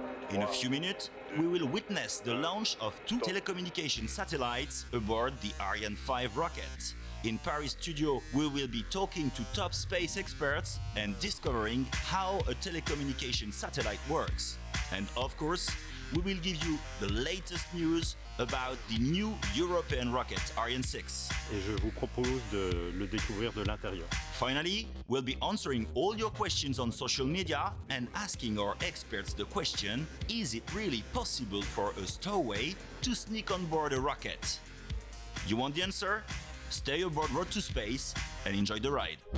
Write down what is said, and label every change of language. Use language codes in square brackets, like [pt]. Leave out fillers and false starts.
[en] In a few minutes, we will witness the launch of two telecommunication satellites aboard the Ariane 5 rocket. In Paris studio, we will be talking to top space experts and discovering how a telecommunication satellite works. And of course, we will give you the latest news about the new European rocket Ariane 6. [fr] Et je vous propose de le découvrir de l'intérieur. [en] Finally, we'll be answering all your questions on social media and asking our experts the question, is it really possible for a stowaway to sneak on board a rocket? You want the answer? Stay aboard Road to Space and enjoy the ride.